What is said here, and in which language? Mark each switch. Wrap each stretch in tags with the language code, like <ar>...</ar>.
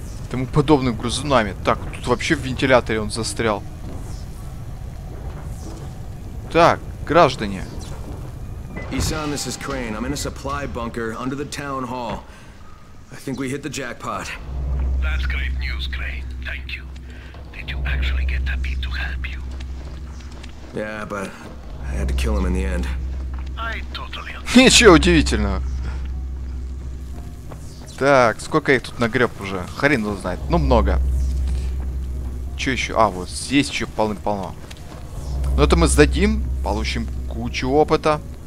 <ru>Тому подобным грызунами. Так, тут вообще в вентиляторе он застрял. Так, граждане. Исан, это Крейн. Я в запасной бункер под городом. Я думаю, мы попали в джекпот. Это хорошая новость, Крейн. Спасибо.</ru> <en>Did you actually get Tapi to help you? Yeah, but I had to kill him in the end. I totally understand.</en> <ru>Ничего удивительного. Так, сколько их тут нагреб уже? Хрен его знает. Ну, много. Че еще? А, вот здесь еще полным-полно. Но это мы сдадим, получим кучу опыта.</ru>